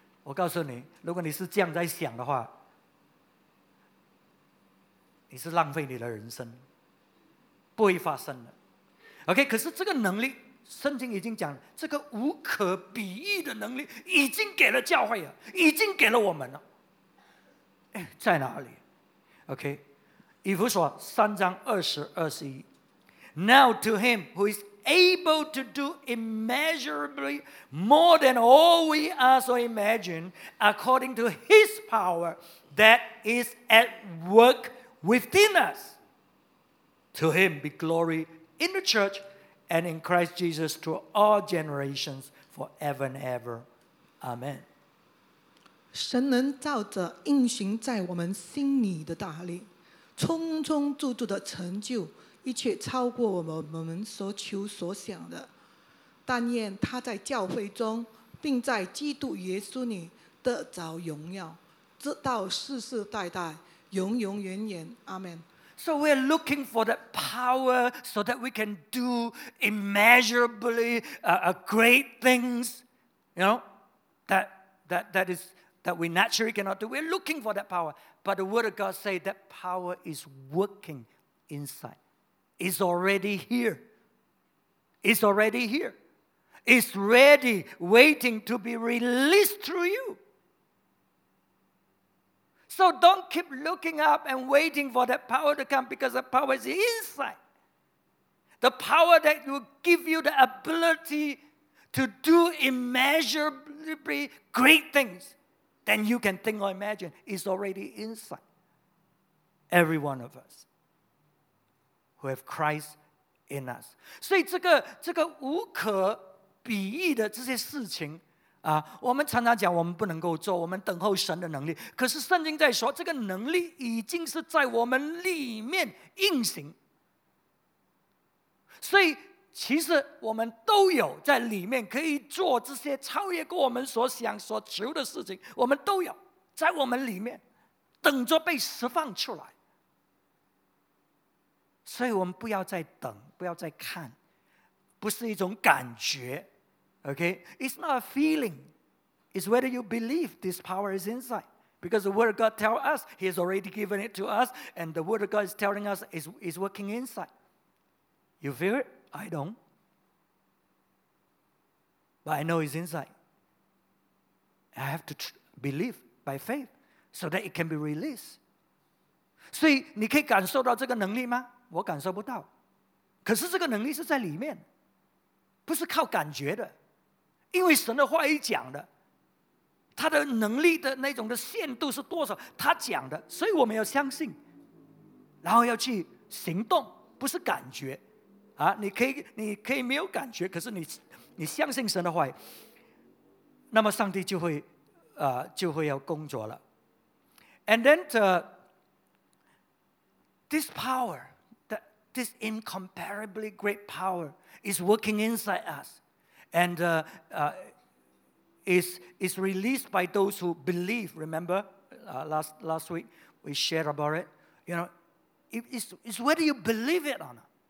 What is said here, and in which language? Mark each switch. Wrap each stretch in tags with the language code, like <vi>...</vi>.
<zh>我告诉你，如果你是这样在想的话，你是浪费你的人生，不会发生的。 OK， 可是这个能力，圣经已经讲，这个无可比喻的能力已经给了教会了，已经给了我们了。哎，在哪里 ？OK。以弗所三章二十二十一</zh> <en>Now to him who is able to do immeasurably more than all we ask or imagine according to his power that is at work within us. To him be glory in the church and in Christ Jesus to all generations forever and ever. Amen.</en> <zh>神能照着运行在我们心里的大力充充足足的成就一切超过我们所求所想的但愿他在教会中并在基督耶稣里得着荣耀直到世世代代，永永远远。</zh> <en>Amen. So we're looking for that power so that we can do immeasurably great things, you know, that we naturally cannot do. We're looking for that power. But the Word of God says that power is working inside. It's already here. It's already here. It's ready, waiting to be released through you. So don't keep looking up and waiting for that power to come, because the power is inside. The power that will give you the ability to do immeasurably great things than you can think or imagine is already inside every one of us who have Christ in us.</en> <zh>所以这个无可比喻的这些事情啊，我们常常讲我们不能够做，我们等候神的能力。可是圣经在说，这个能力已经是在我们里面运行。所以其实我们都有在里面可以做这些超越过我们所想所求的事情，我们都有在我们里面等着被释放出来。所以我们不要再等，不要再看，不是一种感觉。</zh> <en>Okay, it's not a feeling. It's whether you believe this power is inside. Because the Word of God tells us, He has already given it to us, and the Word of God is telling us is working inside. You feel it? I don't. But I know it's inside. I have to believe by faith so that it can be released.</en> <zh>所以你可以感受到这个能力吗？我感受不到。可是这个能力是在里面，不是靠感觉的。因为神的话语讲的，他的能力的那种的限度是多少，他讲的，所以我们要相信，然后要去行动，不是感觉啊。你可以没有感觉，可是你相信神的话语，那么上帝就会要工作了。</zh> <en>And then this power, that this incomparably great power is working inside usAnd is released by those who believe. Remember, last week we shared about it. You know, it's whether you believe it or not.</en>